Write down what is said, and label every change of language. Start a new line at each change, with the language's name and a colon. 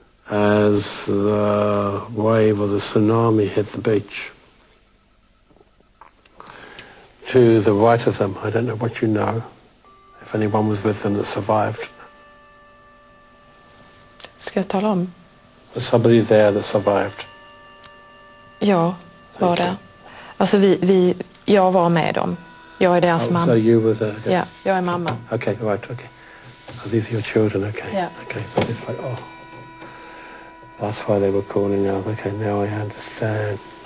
English: As the wave of the tsunami hit the beach. To the right of them, I don't know what you know, if anyone was with them that survived.
Swedish: Ska jag tala om?
English: Was somebody there that survived?
Swedish: Ja, var det. Alltså vi, jag var med dem. Jag är deras mamma.
English: So you were there? Okay.
Swedish: Yeah, jag är mamma.
English: Okay, right, okay. Are these your children? Okay. Yeah. Okay, but it's like, oh. That's why they were calling out. Okay, now I understand.